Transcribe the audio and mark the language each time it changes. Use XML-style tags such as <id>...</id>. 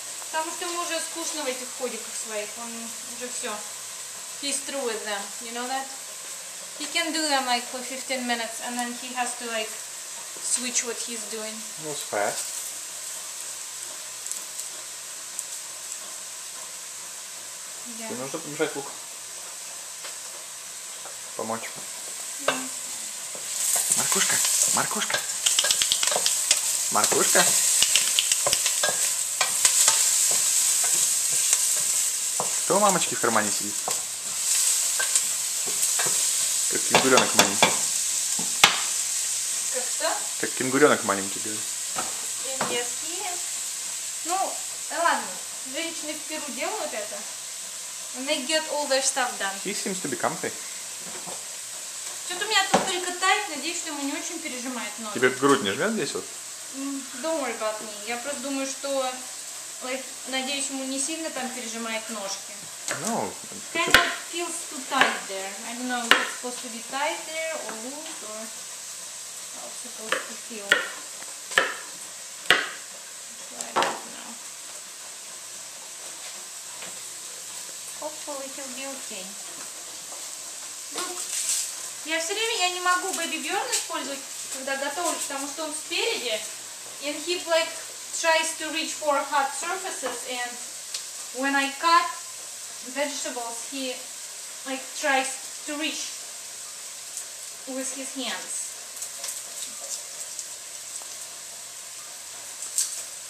<ru>Потому что ему уже скучно в этих ходиках своих. Он уже все.</ru> <en>He's through with them. You know that? He can do them like for 15 minutes and then he has to like switch what he's doing. It was fast. Yeah.</en> <ru>Тебе нужно помешать лук? Помочь? Mm. Маркушка! Маркушка! Маркушка? Кто у мамочки в кармане сидит? Как кенгуренок маленький. Как что? Как кенгуренок маленький, говорит.</ru> <en>Yes, yes.</en> <ru>Ну, ладно. Женщины в Перу делают это.</ru> <en>And they get all their stuff done. He seems to be comfy.</en> <ru>Что-то у меня тут только тает. Надеюсь, что ему не очень пережимает ноги. Тебе грудь не жмет здесь вот?</ru> <en>Don't worry about me.</en> <ru>Я просто думаю, что... надеюсь, ему не сильно там пережимает ножки.</ru> <en>No. Kind of feels too tight there. I don't know if it's supposed to be tight there or loose or how it's supposed to feel. I don't know. Hopefully he'll be okay.</en> <ru>Look, я все время не могу Baby Bjorn использовать, когда готовлю, потому что он спереди.</ru> <en>And he like tries to reach for hot surfaces, and when I cut vegetables, he like tries to reach with his hands.</en>